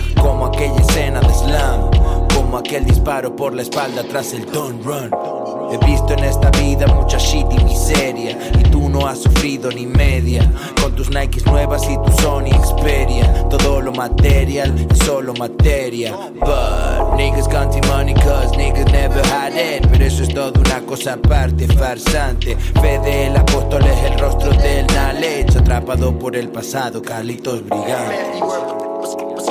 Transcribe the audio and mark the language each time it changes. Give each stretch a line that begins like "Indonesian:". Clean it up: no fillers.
Spanish: Como aquella escena de slam. Como aquel disparo por la espalda tras el
English: don't run.
Spanish: He visto en esta vida mucha shit y miseria, y tú no has sufrido ni media. Con tus Nikes nuevas y tu Sony Xperia, todo lo material es solo materia.
English: But niggas counting money cause niggas never had it.
Spanish: Pero eso es todo una cosa aparte, farsante. Fede el apóstol es el rostro del Nalech, atrapado por el pasado, Carlitos Brigante.